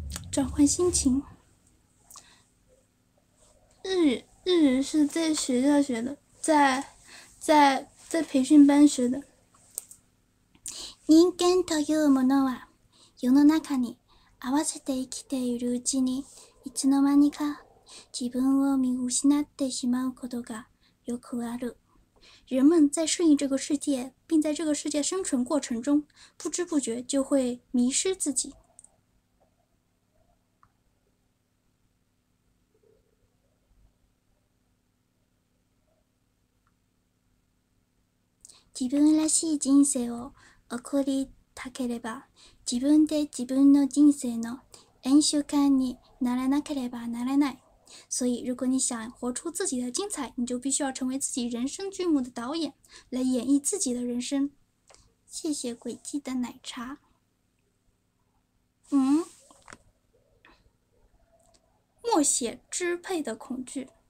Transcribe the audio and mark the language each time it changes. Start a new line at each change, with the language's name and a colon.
Chinese: 转换心情。日语是在学校学的，在培训班学的。
Japanese: 人間というものは、世の中に合わせて生きているうちに、いつの間にか自分を見失ってしまうことがよくある。
Chinese: 人们在适应这个世界，并在这个世界生存过程中，不知不觉就会迷失自己。
Japanese: 自分らしい人生を送りたければ、自分で自分の人生の演習家にならなければならない。
Chinese: 所以，如果你想活出自己的精彩，你就必须要成为自己人生剧目的导演，来演绎自己的人生。谢谢诡计的奶茶。默写支配的恐惧。